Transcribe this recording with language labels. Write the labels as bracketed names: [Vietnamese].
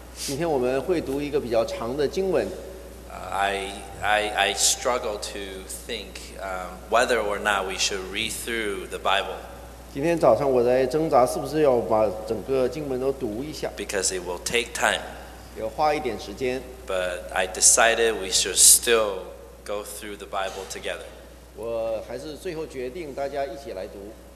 [Chinese] 今天我们会读一个比较长的经文。 [English] I struggle to think whether or not we should read through the Bible. [Chinese] 今天早上我在挣扎是不是要把整个经文都读一下 [English] Because it will take time [Chinese] 要花一点时间 [English] But I decided we should still go through the Bible together [Chinese] 我还是最后决定大家一起来读